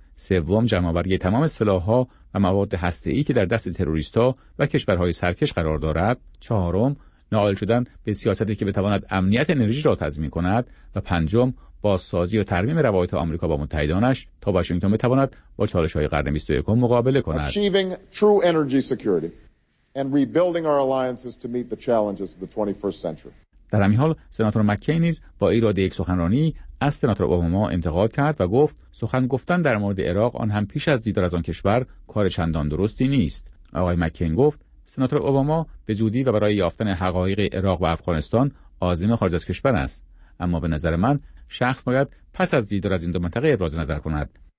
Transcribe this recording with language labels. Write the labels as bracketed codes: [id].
[fa] سوم جمع‌آوری تمام سلاح‌ها و مواد هسته‌ای که در دست تروریست‌ها و کشورهای سرکش قرار دارد، چهارم نائل شدن به سیاستی که بتواند امنیت انرژی را تضمین کند و پنجم بازسازی و ترمیم روابط آمریکا با متحدانش تا واشنگتن بتواند با چالش‌های قرن 21 مقابله کند. [en] Achieving true energy security and rebuilding our alliances to meet the challenges of the 21st century. [fa] در همین حال سناتور مک‌کین نیز با ایراد یک سخنرانی از سناتور اوباما انتقاد کرد و گفت سخن گفتن در مورد عراق آن هم پیش از دیدار از آن کشور کار چندان درستی نیست. آقای مک‌کین گفت سناتور اوباما به زودی و برای یافتن حقایق عراق و افغانستان عازم خارج از کشور است، اما به نظر من شخص باید پس از دیدار از این دو منطقه ابراز نظر کند.